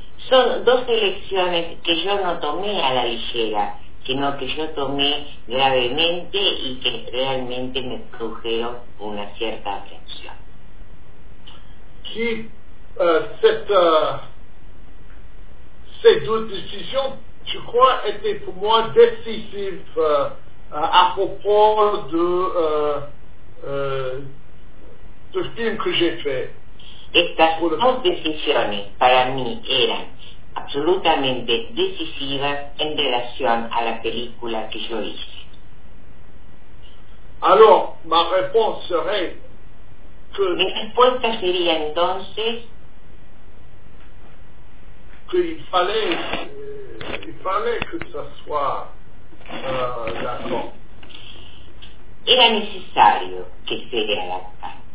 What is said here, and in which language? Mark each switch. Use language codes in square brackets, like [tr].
[es] Son dos elecciones que yo no tomé a la ligera, sino que yo tomé gravemente y que realmente me produjeron una cierta atención. [fr] Qui cette ces deux décisions, tu crois, étaient pour moi décisives à propos de film que j'ai fait. [es] Estas dos decisiones para mí eran absolutamente decisivas en relación a la película que yo hice. [fr] Alors, ma réponse serait que [es] mi respuesta sería entonces [fr] que il fallait que ça soit d'accord. [es] Era necesario que se adaptara.